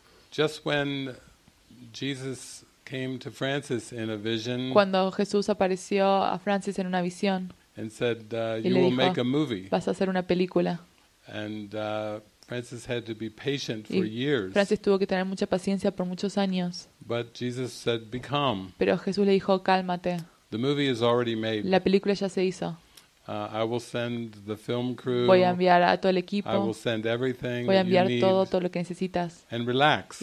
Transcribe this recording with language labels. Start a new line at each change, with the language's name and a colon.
English: Just when Jesus came to Francis in a vision.
Spanish: Cuando Jesús apareció a Francis en una visión.
English: And said, "You will make a movie."
Spanish: Vas a hacer una película.
English: And Francis had to be patient for years.
Spanish: Francis tuvo que tener mucha paciencia por muchos años.
English: But Jesus said, "Be calm."
Spanish: Pero Jesús le dijo, "Cálmate."
English: The movie is already made.
Spanish: La película ya se hizo.
English: I will send the film crew.
Spanish: Voy a enviar a todo el equipo.
English: I will send everything.
Spanish: Voy a enviar
English: you need
Spanish: todo lo que necesitas.
English: And relax.